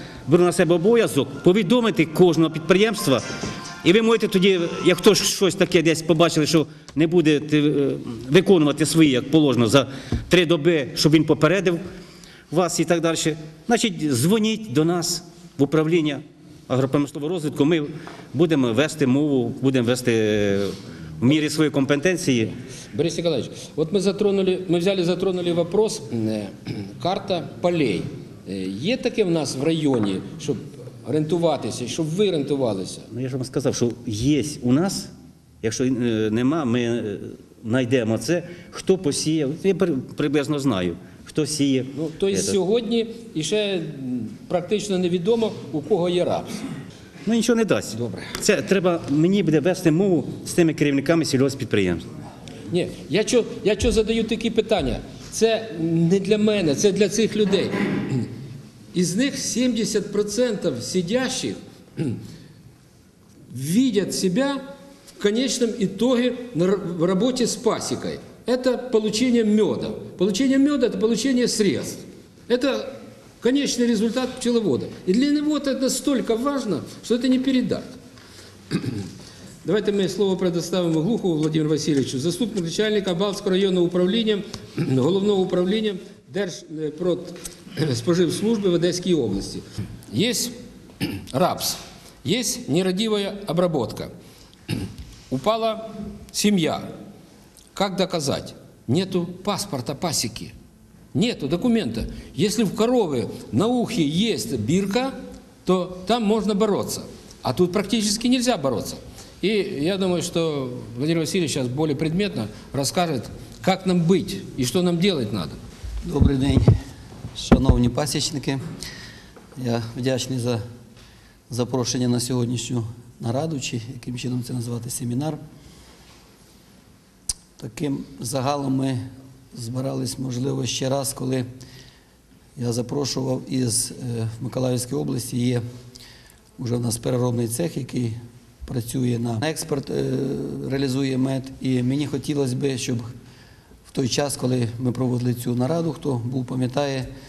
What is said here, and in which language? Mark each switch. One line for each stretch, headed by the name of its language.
Ukrainian: Беру на себе обов'язок повідомити кожного підприємства. І ви можете тоді, як хтось щось таке десь побачили, що не буде виконувати свої,
Russian: як положено,
Ukrainian: за 3 доби, щоб він попередив вас і так далі. Значить, дзвоніть до нас в управління агропромислового розвитку, ми будемо вести мову, будемо вести в мірі своєї компетенції.
Russian: Борис Николаевич,
Ukrainian: от ми взяли,
Russian: затронули вопрос, карта полей.
Ukrainian: Є таке в нас в районі, щоб рентуватися, щоб ви рентувалися? Ну, я ж вам сказав, що є у нас, якщо нема, ми знайдемо це, хто посіяв, я приблизно знаю, хто сіяв. Ну, то є сьогодні і ще практично невідомо, у кого є рапс. Ну, нічого не дасть. Добре. Це треба, мені буде вести мову з тими керівниками сільгосппідприємств. Ні, я задаю такі питання, це не для мене, це для цих людей. Із них
Russian: 70% сидящих видят себя в конечном итоге в работе с пасекой. Это получение меда. Получение меда – это получение средств. Это конечный результат пчеловода. И для него это настолько важно, что это не передать.
Ukrainian: Давайте ми слово предоставимо Глухову Владимиру Васильовичу, заступник начальника Балтського районного управління, головного управління Держпродспоживслужби в Одеській області. Є рапс, є нерадівая обработка, упала сім'я. Як доказати? Нету паспорта пасіки, нету документа. Якщо в корови на ухі є бірка, то там можна боротися, а тут практично не можна боротися.
Russian: И я думаю, что Владимир Васильевич сейчас более предметно расскажет, как нам быть и что нам делать надо. Добрый день,
Ukrainian: шановні пасічники. Я вдячний за запрошення на сьогоднішню нараду, чи яким чином це називати, семінар. Таким загалом ми збирались, можливо, ще раз, коли я запрошував із в Миколаївській області, є вже в нас переробний цех, який працює на експорт, реалізує мед, і мені хотілося б, щоб в той час, коли ми проводили цю нараду, хто був, пам'ятає,